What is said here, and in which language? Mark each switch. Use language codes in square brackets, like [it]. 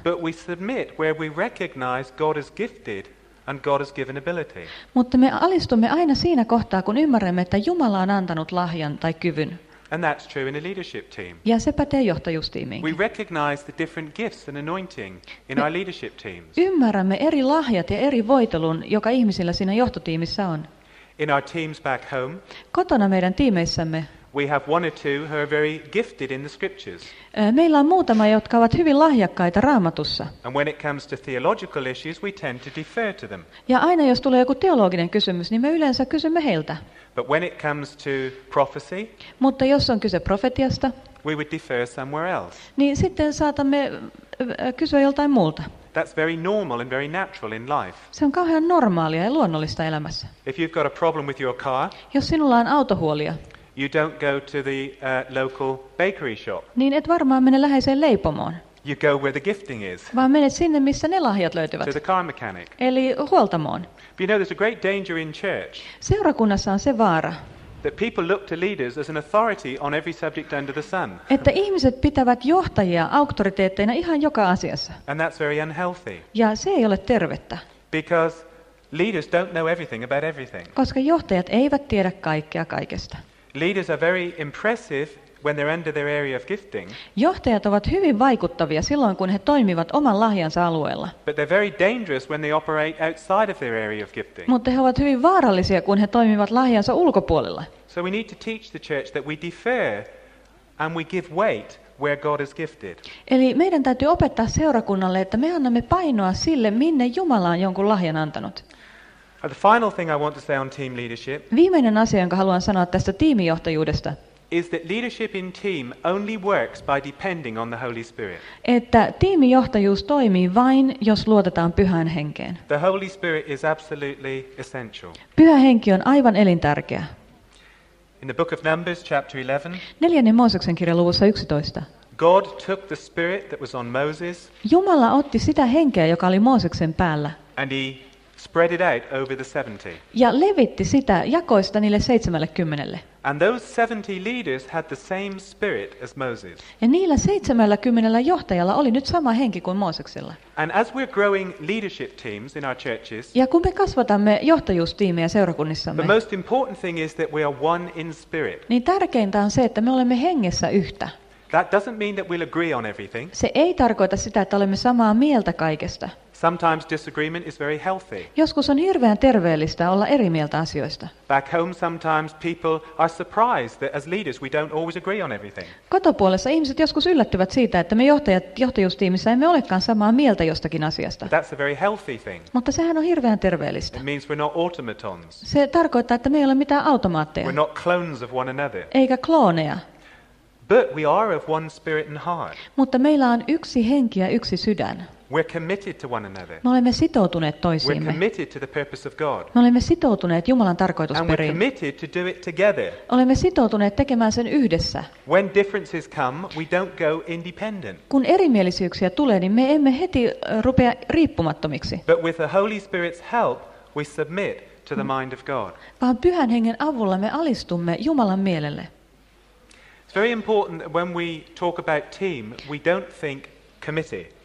[en] But we submit where we recognize God has gifted and God has given ability. [fi] Mutta me alistumme aina siinä kohtaa, kun ymmärrämme, että Jumala on antanut lahjan tai kyvyn. [en] And that's true in a leadership team. [fi] Ja se pätee johtajuustiimiin. [en] We recognize the different gifts and anointing in our leadership teams. [fi] Ymmärrämme eri lahjat ja eri voitelun, joka ihmisillä siinä johtotiimissä on. [en] In our teams back home. [fi] Kotona meidän tiimeissämme. [en] We have one or two who are very gifted in the scriptures. [fi] Meillä on muutama, jotka ovat hyvin lahjakkaita Raamatussa. [en] And when it comes to theological issues, we tend to defer to them. [fi] Ja aina jos tulee joku teologinen kysymys, niin me yleensä kysymme heiltä. [en] But when it comes to prophecy, [fi] mutta jos on kyse profetiasta, [en] we would defer somewhere else. [fi] Niin sitten saatamme kysyä joltain muulta. [en] That's very normal and very natural in life. [fi] Se on kauhean normaalia ja luonnollista elämässä. [en] If you've got a problem with your car, [fi] jos sinulla on autohuolia, [en] you don't go to the local bakery shop. [fi] Niin et varmaan mene läheiseen leipomoon. [en] You go where the gifting is. [fi] Vaan menet sinne, missä ne lahjat löytyvät. [en] To the car mechanic. [fi] Eli huoltamoon. [en] But you know, there's a great danger in church. [fi] Seurakunnassa on se vaara. [en] That people look to leaders as an authority on every subject under the sun. [fi] Että ihmiset pitävät johtajia auktoriteetteina ihan joka asiassa. [en] And that's very unhealthy. [fi] Ja se ei ole tervettä. [en] Because leaders don't know everything about everything. [fi] Koska johtajat eivät tiedä kaikkea kaikesta. [en] Leaders are very impressive when they're under their area of gifting. [fi] Johtajat ovat hyvin vaikuttavia silloin, kun he toimivat oman lahjansa alueella. [en] But they're very dangerous when they operate outside of their area of gifting. [fi] Mutta he ovat hyvin vaarallisia, kun he toimivat lahjansa ulkopuolella. [en] So we need to teach the church that we defer and we give weight where God has gifted. [fi] Eli meidän täytyy opettaa seurakunnalle, että me annamme painoa sille, minne Jumala on jonkun lahjan antanut. [en] The final thing I want to say on team leadership. [fi] Viimeinen asia, jonka haluan sanoa tästä tiimijohtajuudesta. [en] Is that leadership in team only works by depending on the Holy Spirit. [fi] Että tiimijohtajuus toimii vain jos luotetaan Pyhään Henkeen. [en] The Holy Spirit is absolutely essential. [fi] Pyhä Henki on aivan elintärkeä. [en] In the book of Numbers chapter 11. [fi] Neljännen Mooseksen kirjan luvussa 11. [en] God took the spirit that was on Moses. [fi] Jumala otti sitä henkeä, joka oli Mooseksen päällä. [en] And he spread it out over the 70. [fi] Ja levitti sitä, jakoi sitä niille 70. [en] And those 70 leaders had the same spirit as Moses. [fi] Ja niillä 70 johtajalla oli nyt sama henki kuin Mooseksella. [en] And as we're growing leadership teams in our churches. [fi] Ja kun me kasvatamme johtajuustiimejä seurakunnissamme. [en] The most important thing is that we are one in spirit. [fi] Niin tärkeintä on se, että me olemme hengessä yhtä. [en] That doesn't mean that we'll agree on everything. [fi] Se ei tarkoita sitä, että olemme samaa mieltä kaikesta. [en] Sometimes disagreement is very healthy. [fi] Joskus on hirveän terveellistä olla eri mieltä asioista. [en] Back home sometimes people are surprised that as leaders we don't always agree on everything. [fi] Kotopuolessa ihmiset joskus yllättyvät siitä, että me johtajat johtajuustiimissä emme olekaan samaa mieltä jostakin asiasta. [en] But that's a very healthy thing. [fi] Mutta sehän on hirveän terveellistä. [en] It means we're not automatons. [fi] Se tarkoittaa, että me ei ole mitään automaatteja. [en] We're not clones of one another. [fi] Eikä klooneja. [en] But we are of one spirit and heart. [fi] Mutta meillä on yksi henki ja yksi sydän. [en] We're committed to one another. [fi] Me olemme sitoutuneet toisiimme. [en] We're committed to the purpose of God. [fi] Me olemme sitoutuneet Jumalan tarkoitusperiin. [en] And we're committed to do it together. [fi] Olemme sitoutuneet tekemään sen yhdessä. [en] When differences come, we don't go independent. [fi] Kun erimielisyyksiä tulee, niin me emme heti rupea riippumattomiksi. [en] But with the Holy Spirit's help, we submit to the mind of God. [fi] Vaan Pyhän Hengen avulla me alistumme Jumalan mielelle. [en] It's very important that when we talk about team, we don't think committee.